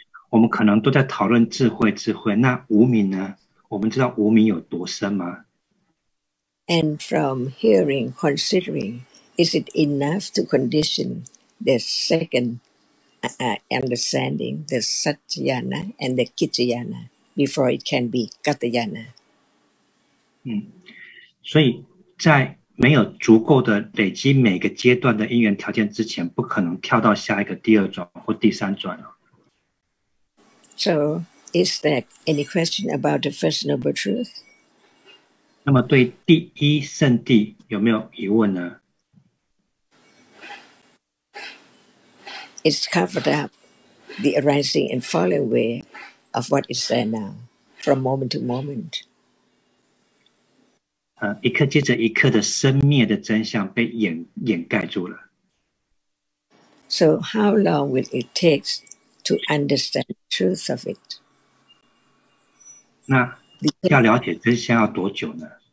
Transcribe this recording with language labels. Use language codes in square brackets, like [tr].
[zh] 我们可能都在讨论智慧，智慧。那无明呢？我们知道无明有多深吗 [en] ？And from hearing, considering. Is it enough to condition the second understanding, the Satyana and the Kittayana, before it can be Katayana? [zh] 所以在没有足够的累积每个阶段的因缘条件之前，不可能跳到下一个第二转或第三转了。 [en] So, is there any question about the First Noble Truth? [zh] 那么对第一圣谛有没有疑问呢？ [en] It's covered up the arising and falling away of what is there now, from moment to moment. [zh] 一刻接着一刻的生灭的真相被掩盖住了。 [en] So how long will it take to understand the truth of it? [zh] 那要了解真相要多久呢？